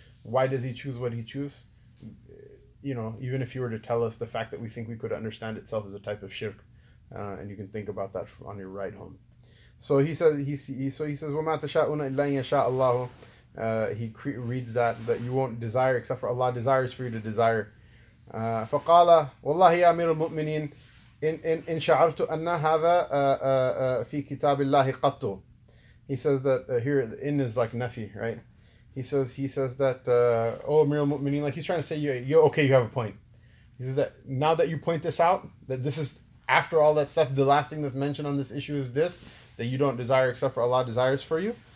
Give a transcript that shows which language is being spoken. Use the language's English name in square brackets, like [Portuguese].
[English] Why does he choose what he chooses? You know, even if you were to tell us, the fact that we think we could understand itself is a type of shirk. And you can think about that on your ride home. So he says, [Arabic] وَمَا تَشَاءُونَ إِلَّا يَشَاءَ اللَّهُ. [English] He reads that you won't desire except for Allah desires for you to desire. [Arabic] فَقَالَ وَاللَّهِ يَا أَمِيرُ الْمُؤْمِنِينَ إن شعرت أن هذا في كتاب الله قط. [English] He says that here the in is like nafi, right? He says that Amir al-Mu'mineen, like, he's trying to say you have a point. He says that now that you point this out, that this is after all that stuff, the last thing that's mentioned on this issue is this, that you don't desire except for Allah desires for you.